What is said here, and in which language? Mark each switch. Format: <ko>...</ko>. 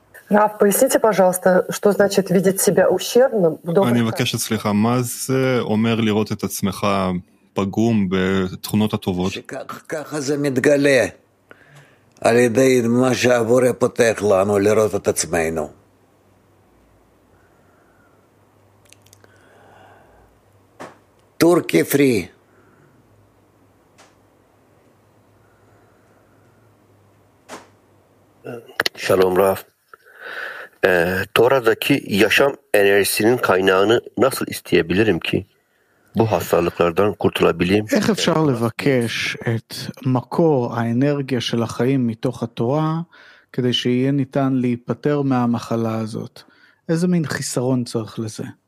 <ru>רב, поясните, пожалуйста, что значит видеть себя ущербным в доме?</ru> <he>אני מבקש סליחה, מה זה אומר לראות את עצמך פגום בתכונות הטובות? ככה זה מתגלה על ידי מה שהבורא פותח לנו לראות את עצמנו. טורקי פרי. שלום רב.</he> <tr>Tora'daki yaşam enerjisinin kaynağını nasıl isteyebilirim ki bu hastalıklardan kurtulabileyim?</tr> <he>איך אפשר לבקש את מקור האנרגיה של החיים מתוך התורה כדי שיהיה ניתן להיפטר מהמחלה הזאת? איזה מין חיסרון צריך לזה?</he>